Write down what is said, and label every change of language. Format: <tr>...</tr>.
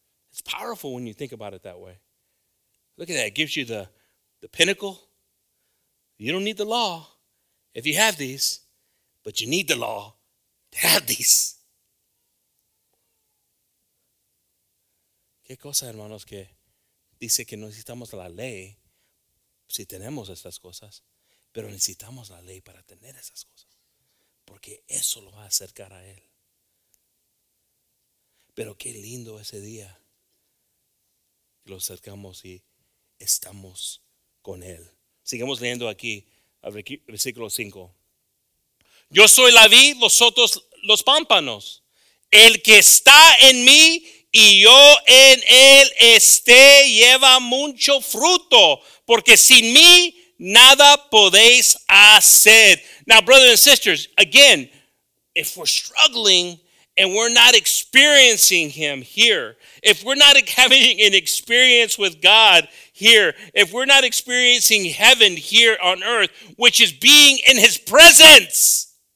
<en>It's powerful when you think about it that way. Look at that. It gives you the pinnacle. You don't need the law if you have these, but you need the law to have these.</en> <es>¿Qué cosa, hermanos, que dice que no necesitamos la ley si tenemos estas cosas? Pero necesitamos la ley para tener esas cosas. Porque eso lo va a acercar a él. Pero qué lindo ese día. Lo acercamos y estamos con él. Sigamos leyendo aquí. Versículo 5. Yo soy la vid, vosotros los pámpanos. El que está en mí y yo en él lleva mucho fruto, porque sin mí nada podéis hacer.</es> <en>Now, brothers and sisters, again, if we're struggling and we're not experiencing him here, if we're not having an experience with God here, if we're not experiencing heaven here on earth, which is being in his presence,</en>